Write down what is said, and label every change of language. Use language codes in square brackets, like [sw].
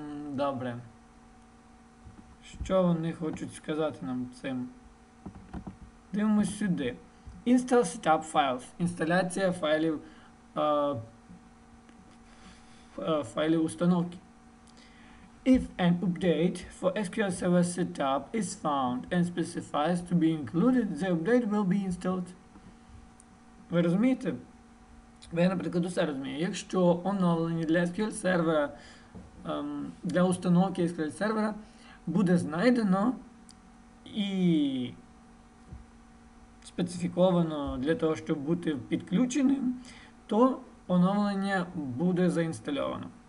[uk] Добре. Що вони хочуть сказати нам цим? Дивимось сюди. [en] Install setup files. [uk] Інсталяція файлів, файлів установки. [en] If an update for SQL Server Setup is found and specifies to be included, the update will be installed. [uk] Ви розумієте? Ви, наприклад, усе розумієте. Якщо оновлення для SQL Server, для установки SQL Server буде знайдено і специфіковано для того, щоб бути підключеним, то оновлення буде заінстальовано.